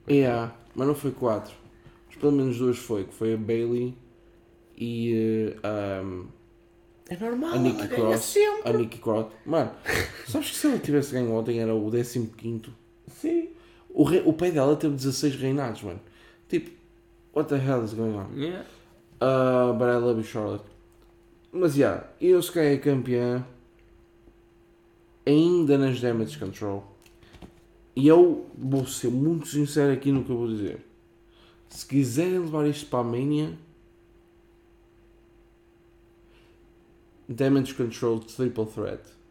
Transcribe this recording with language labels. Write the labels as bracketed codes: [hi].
[pt] É, yeah, mas não foi 4. Mas pelo menos 2 foi, que foi a Bailey e é normal, a Nikki Cross. A Nikki Cross. Mano, sabes que se ela tivesse ganho ontem era o 15º? Sim. O pai dela teve 16 reinados, mano. [en] Tipo, what the hell is going on? Yeah. But I love you, Charlotte. [pt] Mas já, yeah, eu se calhar é campeã ainda nas Damage Control. E eu vou ser muito sincero aqui no que eu vou dizer. Se quiserem levar isto para a Mania, Damage Control Triple Threat.